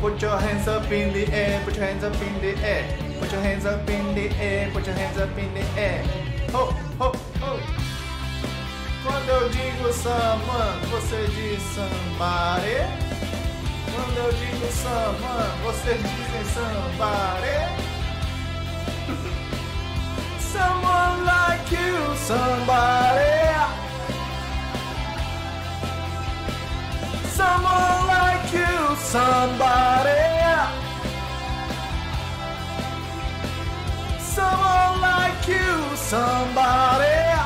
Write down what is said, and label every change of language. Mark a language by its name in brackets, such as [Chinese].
[English] Put your hands up in the air, put your hands up in the air. Put your hands up in the air, put your hands up in the air. Ho, ho, ho. [Portuguese] Quando eu digo someone, você diz somebody. Quando eu digo someone, você diz somebody. [English] Someone like you, somebody. Someone like you, somebody. Someone like you, somebody.